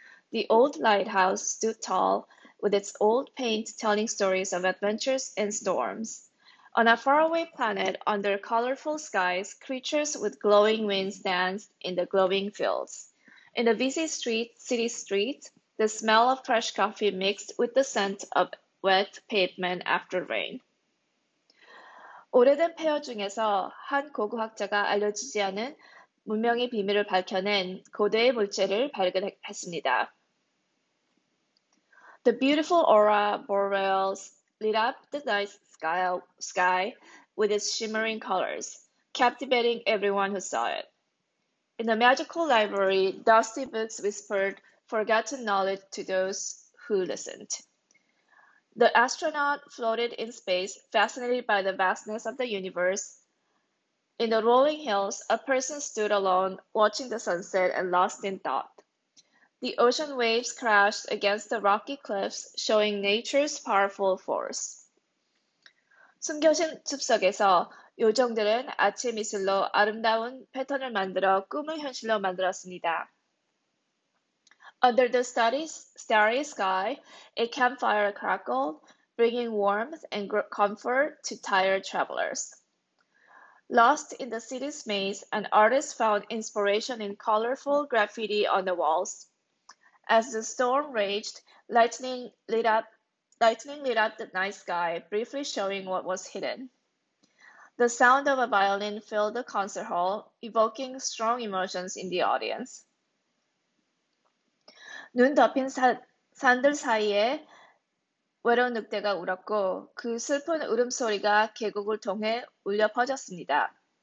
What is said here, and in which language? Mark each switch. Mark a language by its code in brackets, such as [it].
[en] The old lighthouse stood tall, with its old paint telling stories of adventures and storms. On a faraway planet, under colorful skies, creatures with glowing wings danced in the glowing fields. In the busy city street, the smell of fresh coffee mixed with the scent of wet pavement after rain. [ko] 오래된 페어 중에서 한 고고학자가 알려지지 않은 문명의 비밀을 밝혀낸 고대의 물체를 발견했습니다. [en] The beautiful aurora boreals lit up the night sky with its shimmering colors, captivating everyone who saw it. In the magical library, dusty books whispered forgotten knowledge to those who listened. The astronaut floated in space, fascinated by the vastness of the universe. In the rolling hills, a person stood alone, watching the sunset and lost in thought. The ocean waves crashed against the rocky cliffs, showing nature's powerful force. [ko] 숨겨진 숲속에서 요정들은 아침 이슬로 아름다운 패턴을 만들어 꿈을 현실로 만들었습니다. [en] Under the starry sky, a campfire crackled, bringing warmth and comfort to tired travelers. Lost in the city's maze, an artist found inspiration in colorful graffiti on the walls. As the storm raged, lightning lit up the night sky, briefly showing what was hidden. The sound of a violin filled the concert hall, evoking strong emotions in the audience. [ko] 눈 덮인 산들 사이에 외로운 늑대가 울었고 그 슬픈 울음소리가 계곡을 통해 울려 퍼졌습니다.